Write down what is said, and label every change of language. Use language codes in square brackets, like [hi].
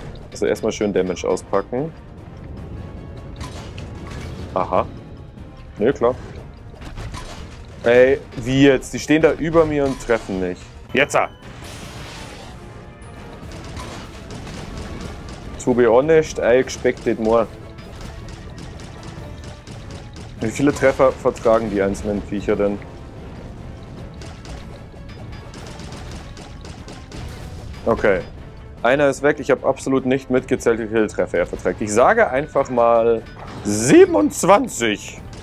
[de] Also erstmal schön Damage auspacken. Aha. Nö, klar. Ey, wie jetzt? Die stehen da über mir und treffen mich. Jetzt! [en] To be honest, I expected more. [de] Wie viele Treffer vertragen die einzelnen Viecher denn? Okay. Einer ist weg, ich habe absolut nicht mitgezählt, wie viele Treffer er verträgt. Ich sage einfach mal 27.